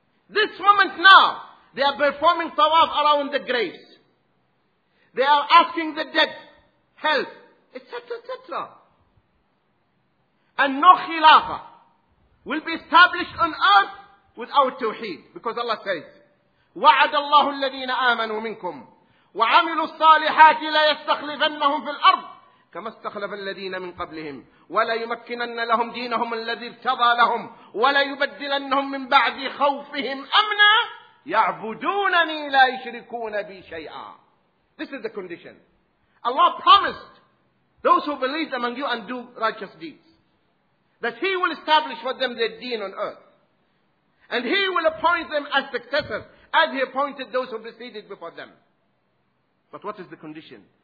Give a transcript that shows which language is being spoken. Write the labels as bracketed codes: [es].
[en] This moment now, they are performing tawaf around the graves. They are asking the dead help, etc., etc. And no khilafah will be established on earth without tawheed. Because Allah says, [ar] وعد الله الذين آمنوا منكم وعملوا الصالحات لا يستخلفنهم في الأرض كما استخلف الذين من قبلهم ولا يمكنن لهم دينهم الذي ارتضى لهم ولا يبدلنهم من بعد خوفهم أمنا يعبدونني لا يشركون بي شيئا. [en] This is the condition. Allah promised those who believe among you and do righteous deeds that He will establish for them their deen on earth, and He will appoint them as successors as He appointed those who preceded before them. But what is the condition?